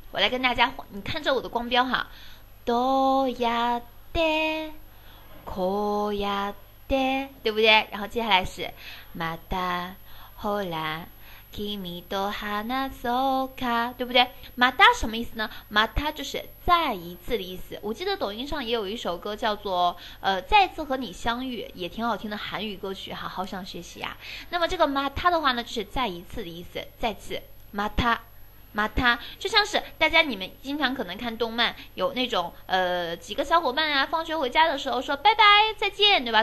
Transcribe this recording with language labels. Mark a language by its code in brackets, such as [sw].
[zh] 我来跟大家，你看着我的光标哈， [ja] どうやってこうやって， [zh] 对不对？然后接下来是 [ja] またほら君と話そうか， [zh] 对不对？ [ja] また [zh] 什么意思呢？ [ja] また [zh] 就是再一次的意思。我记得抖音上也有一首歌叫做再次和你相遇，也挺好听的韩语歌曲哈，好想学习啊。那么这个 [ja] また [zh] 的话呢，就是再一次的意思，再次 [ja] また。 [zh] また就像是大家你们经常可能看动漫有那种几个小伙伴啊放学回家的时候说拜拜再见，对吧？